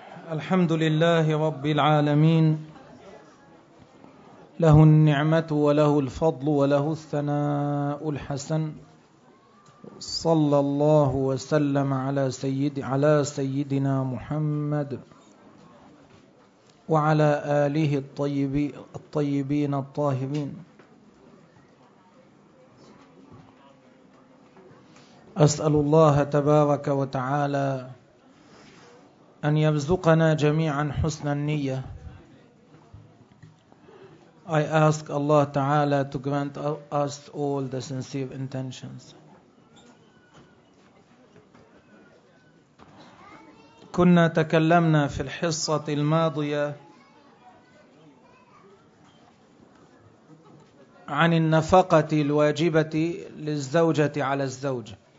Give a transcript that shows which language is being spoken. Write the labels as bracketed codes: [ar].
[ar] الحمد لله رب العالمين له النعمة وله الفضل وله الثناء الحسن صلى الله وسلم على سيدنا محمد وعلى آله الطيبين الطاهرين. أسأل الله تبارك وتعالى أن يرزقنا جميعا حسن النية. [en] I ask Allah Ta'ala to grant us all the sincere intentions. [ar] كنا تكلمنا في الحصة الماضية عن النفقة الواجبة للزوجة على الزوج.